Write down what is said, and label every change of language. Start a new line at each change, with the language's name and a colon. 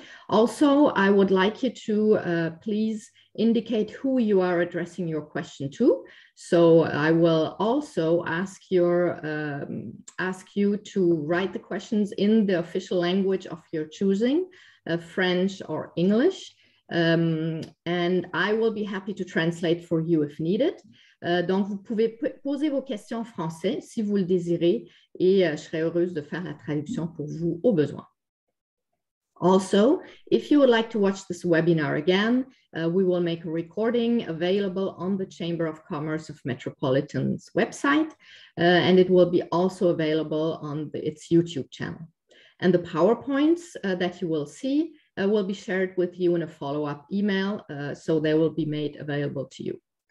English: Also, I would like you to please indicate who you are addressing your question to. So I will also ask you to write the questions in the official language of your choosing, French or English. And I will be happy to translate for you if needed.
French: Donc, vous pouvez poser vos questions en français si vous le désirez, et je serai heureuse de faire la traduction pour vous au besoin.
English: Also, if you would like to watch this webinar again, we will make a recording available on the Chamber of Commerce of Metropolitan's website, and it will be also available on its YouTube channel. And the PowerPoints that you will see will be shared with you in a follow-up email, so they will be made available to you.